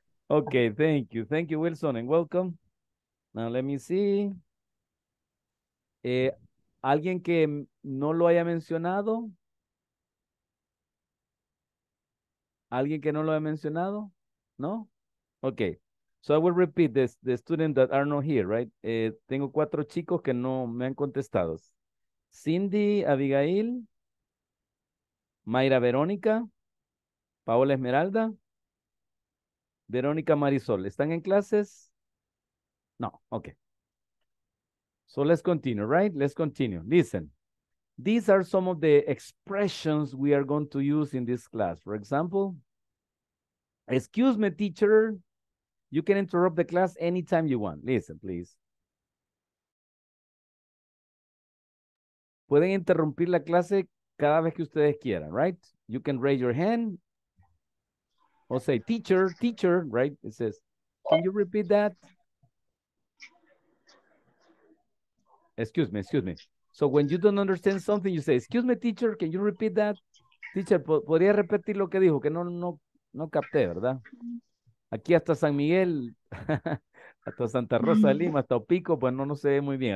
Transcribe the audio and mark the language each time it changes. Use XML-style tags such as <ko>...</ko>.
<en>Okay, thank you. Thank you, Wilson, and welcome. Now, let me see.</en> <es>¿Alguien que no lo haya mencionado? ¿Alguien que no lo haya mencionado? ¿No? Okay.</es> <en>So I will repeat this, the students that are not here, right?</en> <es>Tengo cuatro chicos que no me han contestado. Cindy, Abigail, Mayra Verónica, Paola Esmeralda, Verónica Marisol. ¿Están en clases?</es> <en>No. Okay. So let's continue, right? Let's continue. Listen. These are some of the expressions we are going to use in this class. For example, excuse me, teacher. You can interrupt the class anytime you want. Listen, please.</en> <es>Pueden interrumpir la clase cada vez que ustedes quieran, right?</es> <en>You can raise your hand or say, teacher, right? It says, can you repeat that? Excuse me. So when you don't understand something, you say, excuse me, teacher, can you repeat that?</en> <es>Teacher, ¿podría repetir lo que dijo? Que no capté, ¿verdad? Aquí hasta San Miguel, hasta Santa Rosa de Lima, hasta Opico, pues no se ve muy bien.</es>